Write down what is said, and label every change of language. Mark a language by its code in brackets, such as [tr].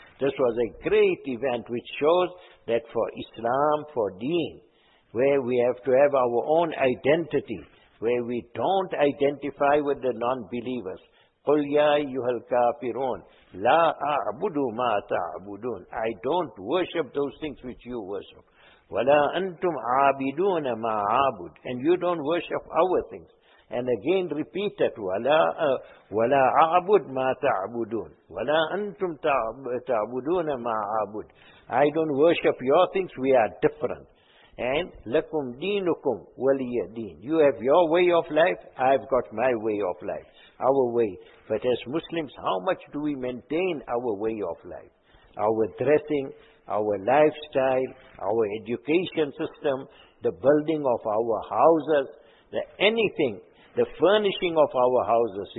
[en] This was a great event which shows that for Islam, for deen, where we have to have our own identity, where we don't identify with the non-believers. [ar] قُلْ يَا أَيُّهَا الْكَافِرُونَ لَا أَعْبُدُ مَا تَعْبُدُونَ [en] I don't worship those things which you worship. [ar] وَلَا أَنْتُمْ عَابِدُونَ مَا عَابُدُ [en] And you don't worship our things. And again repeat it. [ar] وَلَا أَعْبُدْ مَا تَعْبُدُونَ وَلَا أَنْتُمْ تَعْبُدُونَ مَا عَابُدُ [en] I don't worship your things, we are different. And [ar] لَكُمْ دِينُكُمْ وَلِيَ دِينَ [en] You have your way of life, I've got my way of life. Our way. But as Muslims, how much do we maintain our way of life? Our dressing, our lifestyle, our education system, the building of our houses, the anything, the furnishing of our houses.